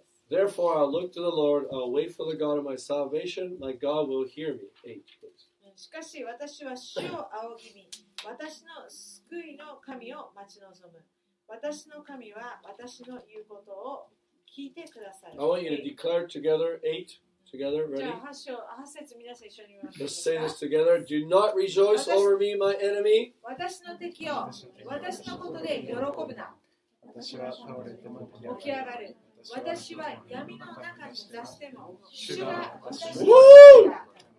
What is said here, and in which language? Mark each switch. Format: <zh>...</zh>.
<en>Therefore, I look to the Lord, I wait for the God of my salvation, my God will hear me. 8, please.</en> <ja>しかし私は主を仰ぎ見、私の救いの神を待ち望む。私の神は私の言うことを聞いてくださる。</ja> <en>I want you to declare together, 8, together, ready?</en> <ja>じゃあ8節皆さん一緒に言</ja> <en>いましょう。Let's say this together. Do not rejoice over me, my enemy.</en> <ja>私の敵よ、私のことで喜ぶな。私は倒れても起き上がる。私は闇の中に出しても主が私を守る。</ja>